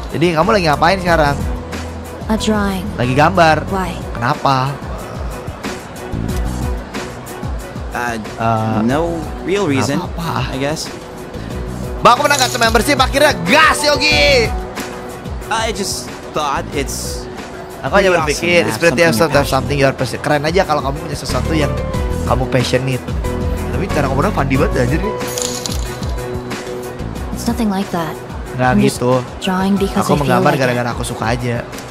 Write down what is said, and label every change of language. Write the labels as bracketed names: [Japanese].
[Indonesian] Jadi, kamu lagi ngapain sekarang? [English] A drawing. [Indonesian] Lagi gambar. [English] Why? [Indonesian] Kenapa? [English] No real reason. [Indonesian] Apa? [English] I guess. [Indonesian] Bang, aku pernah gak semen bersih, akhirnya gas, Yogi! [English] I just thought it's... [Indonesian] Aku hanya berpikir, [English] it's pretty awesome to have something you are passionate. [Indonesian] Keren aja kalau kamu punya sesuatu yang kamu passionate. Tapi cara ngomongnya Fandi banget aja nih. [English] It's nothing like that. [Indonesian] Gak gitu. Aku menggambar like gara-gara aku suka aja.